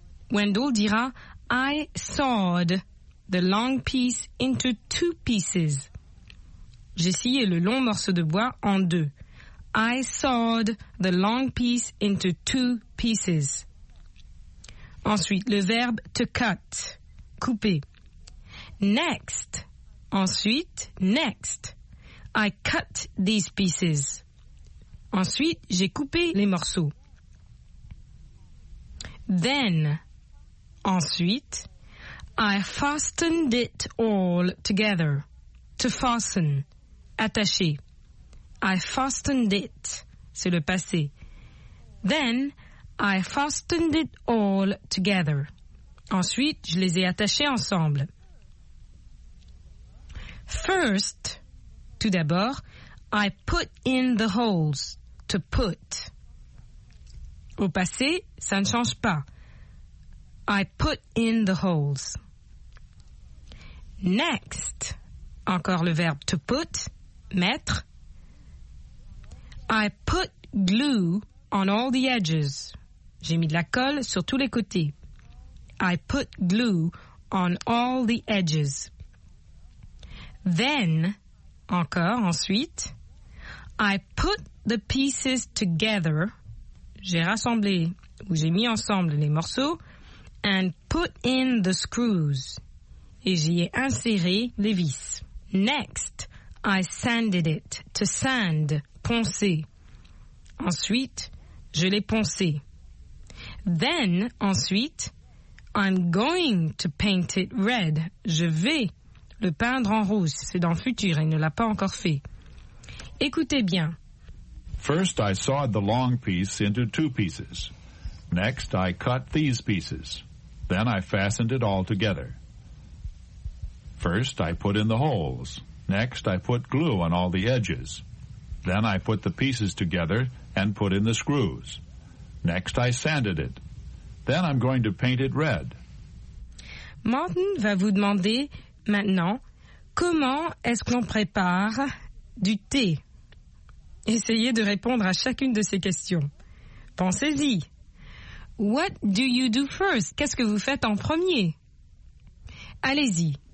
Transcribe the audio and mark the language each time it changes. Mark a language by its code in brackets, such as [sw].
[en] Wendell dira, I sawed the long piece into two pieces. [fr] J'ai scié le long morceau de bois en deux. [en] I sawed the long piece into two pieces. [fr] Ensuite, le verbe to cut, couper. Next. [en] Ensuite, next. I cut these pieces. [fr] Ensuite, j'ai coupé les morceaux. [en] Then. Ensuite, I fastened it all together. To fasten. Attaché. I fastened it. [fr] C'est le passé. [en] Then, I fastened it all together. [fr] Ensuite, je les ai attachés ensemble. [en] First, [fr] tout d'abord, [en] I put in the holes. To put. [fr] Au passé, ça ne change pas. [en] I put in the holes. Next, [fr] encore le verbe [en] to put. Mettre. I put glue on all the edges. [fr] J'ai mis de la colle sur tous les côtés. [en] I put glue on all the edges. Then, [fr] encore, ensuite, [en] I put the pieces together. [fr] J'ai rassemblé ou j'ai mis ensemble les morceaux [en] and put in the screws. [fr] Et j'y ai inséré les vis. [en] Next, I sanded it. [fr] To sand, poncer. Ensuite, je l'ai poncé. [en] Then, ensuite, I'm going to paint it red. [fr] Je vais le peindre en rouge. C'est dans le futur, il ne l'a pas encore fait. Écoutez bien. [en] First, I sawed the long piece into two pieces. Next, I cut these pieces. Then I fastened it all together. First, I put in the holes. Next, I put glue on all the edges. Then I put the pieces together and put in the screws. Next, I sanded it. Then I'm going to paint it red. [fr] Martin va vous demander maintenant comment est-ce qu'on prépare du thé. Essayez de répondre à chacune de ces questions. Pensez-y. [en] What do you do first? [fr] Qu'est-ce que vous faites en premier? Allez-y.